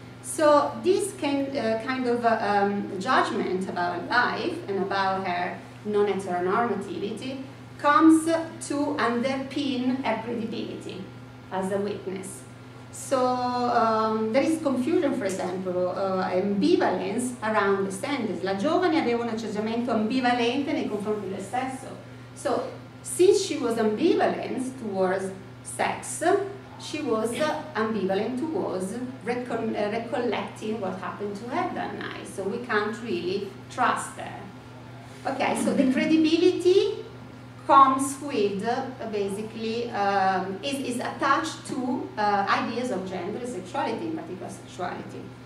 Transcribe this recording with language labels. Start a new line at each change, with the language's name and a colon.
English: So this kind of judgment about life and about her non-heteronormativity comes to underpin her credibility as a witness. So there is confusion, for example, ambivalence around the sentence.
Italian: La giovane aveva un atteggiamento ambivalente nei confronti del sesso.
English: So since she was ambivalent towards sex, she was ambivalent towards recollecting what happened to her that night. So we can't really trust her. Okay, so the credibility comes with, basically, is attached to ideas of gender, sexuality, in particular sexuality.